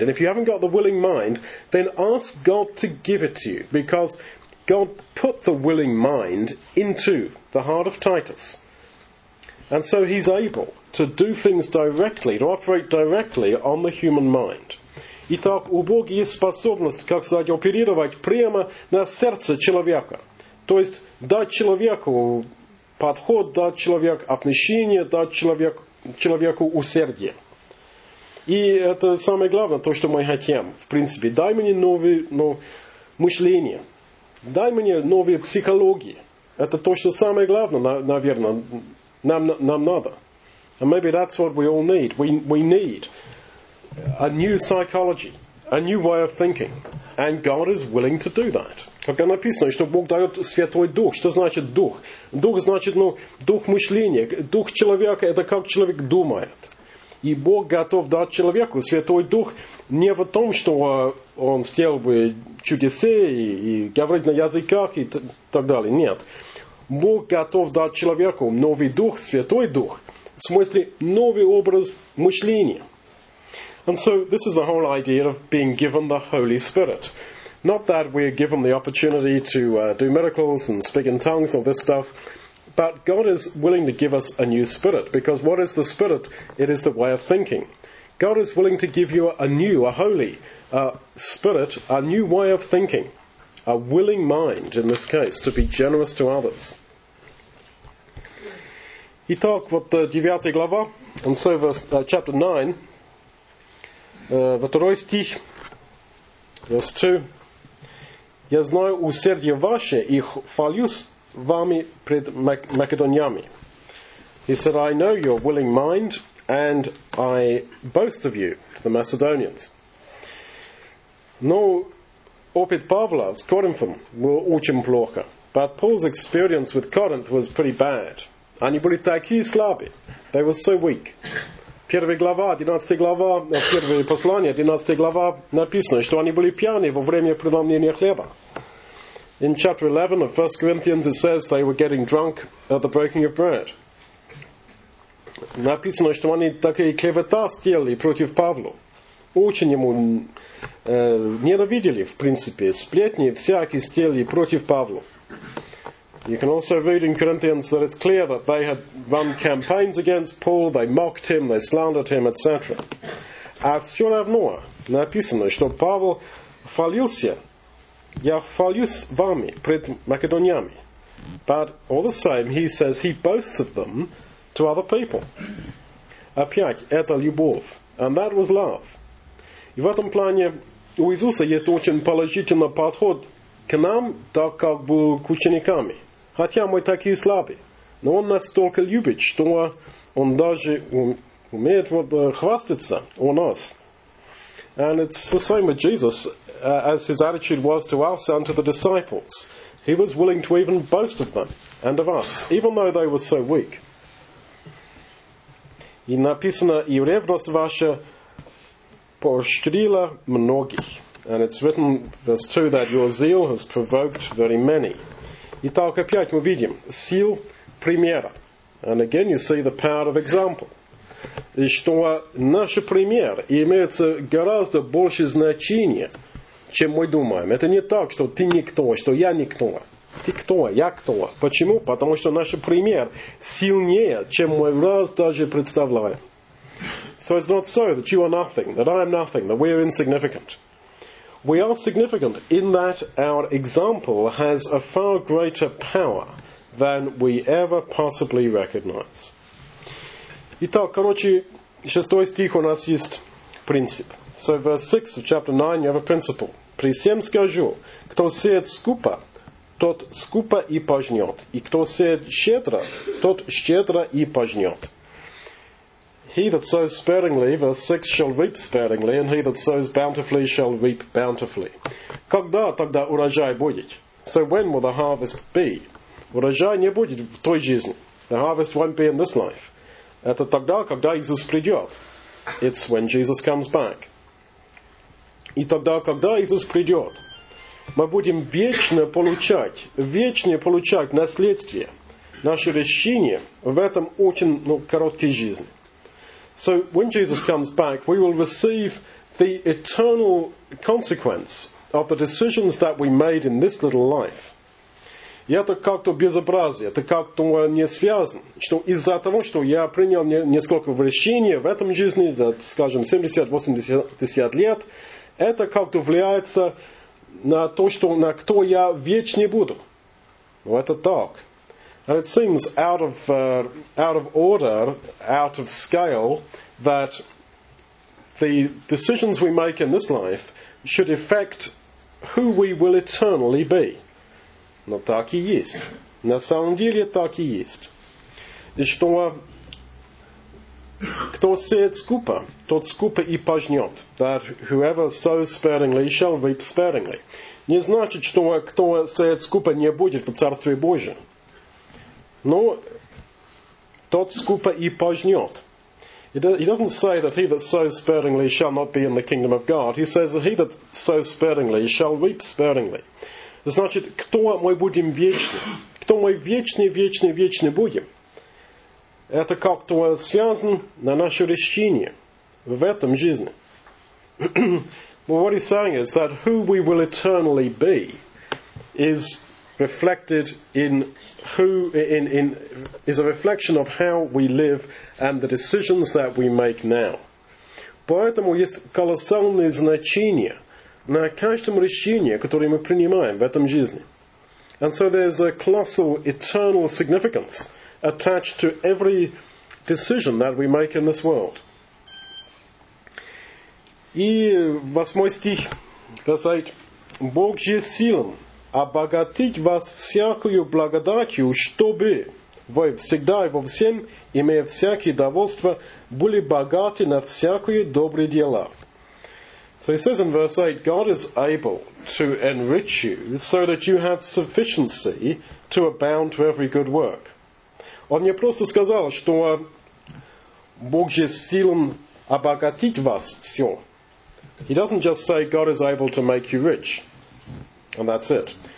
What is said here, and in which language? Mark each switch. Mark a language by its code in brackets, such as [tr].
[en] And if you haven't got the willing mind, then ask God to give it to you. Because God put the willing mind into the heart of Titus. And so he's able to do things directly, to operate directly on the human mind. [ru] Итак, у Бога есть способность, как сказать, оперировать прямо на сердце человека. То есть дать человеку подход, дать человеку отношение, дать человеку усердие. И это самое главное, то, что мы хотим. В принципе, дай мне новое мышление. Дай мне новые психологии. Это то, что самое главное, наверное, нам надо. [en] And maybe that's what we all need. We need a new psychology, a new way of thinking. And God is willing to do that. [ru] Как написано, что Бог дает Святой Дух. Что значит Дух? Дух значит, ну, дух мышления. Дух человека – это как человек думает. И Бог готов дать человеку Святой Дух не в том, что он сделал бы чудеса и говорить на языках и так далее. Нет. Бог готов дать человеку новый Дух, Святой Дух. В смысле, новый образ мышления. [en] And so, this is the whole idea of being given the Holy Spirit. Not that we are given the opportunity to do miracles and speak in tongues, all this stuff. But God is willing to give us a new spirit, because what is the spirit? It is the way of thinking. God is willing to give you a holy spirit, a new way of thinking, a willing mind in this case, to be generous to others. [ru] И так, вот 9 глава, [en] and so verse, chapter 9, [ru] второй стих, [en] verse 2. [ru] Я знаю усердие ваше и хвалюсь вами пред Македонями. [en] He said, I know your willing mind, and I boast of you to the Macedonians. [ru] Но опыт Павла с Коринфом был очень плохо. [en] But Paul's experience with Corinth was pretty bad. [ru] Они были такие слабые. [en] They were so weak. [ru] Первое послание, 12 глава написано, что они были пьяны во время преломления хлеба. [en] In chapter 11 of 1 Corinthians it says they were getting drunk at the breaking of bread. [ru] Написано, что они такие клевета сделали против Павла. Очень ему ненавидели, в принципе, сплетни всякие сделали против Павла. [en] You can also read in Corinthians that it's clear that they had run campaigns against Paul, they mocked him, they slandered him, etc. [ru] А все равно написано, что Павел хвалился, я хвалюсь вами пред Македонями. [en] But all the same, he says he boasts of them to other people. [ru] Опять, это любовь. [en] And that was love. [ru] И в этом плане у Иисуса есть очень положительный подход к нам, так как был к ученикам. Хотя мы такие слабые, но он настолько любит, что он даже умеет вот хвастаться о нас. [en] And it's the same with Jesus, as his attitude was to us and to the disciples. He was willing to even boast of them and of us, even though they were so weak. [ru] И написано, и ревность ваша поощрила многих. [en] And it's written, verse 2, that your zeal has provoked very many. [ru] Итак, опять мы видим сил примера. [en] And again you see the power of example. [ru] И что наш пример имеет гораздо больше значения, чем мы думаем. Это не так, что ты никто, что я никто. Ты кто, я кто. Почему? Потому что наш пример сильнее, чем мы раз даже представляем. [en] So it's not so that you are nothing, that I am nothing, that we are insignificant. We are significant in that our example has a far greater power than we ever possibly recognize. [ru] Итак, короче, шестой стих у нас есть принцип. [en] So verse 6 of chapter 9, you have a principle. [ru] При всем скажу, кто сеет скупо, тот скупо и пожнет. И кто сеет щедро, тот щедро и пожнет. [en] He that sows sparingly, verse 6, shall reap sparingly, and he that sows bountifully shall reap bountifully. [ru] Когда тогда урожай будет? [en] So when will the harvest be? [ru] Урожай не будет в той жизни. [en] The harvest won't be in this life. [ru] Это тогда, когда Иисус придет. [en] It's when Jesus comes back. [ru] И тогда, когда Иисус придет, мы будем вечно получать наследствие, наше решение в этом очень короткой жизни. [en] So when Jesus comes back, we will receive the eternal consequence of the decisions that we made in this little life. [ru] И это как-то безобразие, это как-то не связано, что из-за того, что я принял несколько решений в этом жизни, за, скажем, 70-80 лет, это как-то влияется на то, что на кто я вечно буду. Но это так. [en] And it seems out of order, out of scale, that the decisions we make in this life should affect who we will eternally be. [ru] Но так и есть. На самом деле так и есть. И что кто сеет скупо, тот скупо и пожнет. [en] That whoever sows sparingly shall reap sparingly. [ru] Не значит, что кто сеет скупо не будет в Царстве Божьем. Но тот скупо и пожнет. [en] He doesn't say that he that sows sparingly shall not be in the kingdom of God. He says that he that sows sparingly shall reap sparingly. [ru] Значит, кто мы будем вечно? Кто мы вечно будем? Это как-то связано на наше решение в этом жизни. [en] Well, what he's saying is that who we will eternally be is reflected in who in is a reflection of how we live and the decisions that we make now. [ru] Поэтому есть колоссальное значение на каждом решении, которое мы принимаем в этом жизни. [en] And so there's a colossal eternal significance attached to every decision that we make in this world. [ru] И восьмой стих, говорит, Бог же силен обогатить вас всякую благодатью, чтобы вы всегда и во всем, имея всякие довольства, были богаты на всякие добрые дела. [en] So he says in verse 8, God is able to enrich you so that you have sufficiency to abound to every good work. [ru] Он мне просто сказал, что Бог же силен обогатить вас все. [en] He doesn't just say God is able to make you rich, and that's it.